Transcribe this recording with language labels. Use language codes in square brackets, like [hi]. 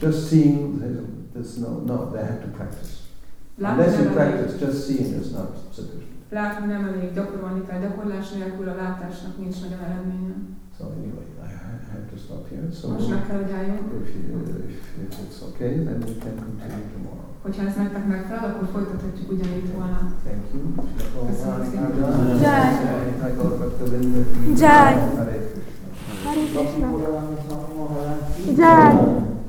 [en] Just seeing, there's no, they had to practice. Unless you practice, just seeing is not sufficient. [hu] Látni nem elég, gyakorolni kell, gyakorlás nélkül a látásnak nincs nagyon eredménye. [en] So anyway, I have to stop here. So [hu] most meg kell, hogy álljon. [en] If it's okay, then we can continue tomorrow. [hu] Hogyha ez nektek megfelel, akkor folytathatjuk ugyanígy volna. [en] Thank you. [hu] Köszönöm szépen. Jai. Jai. Jai.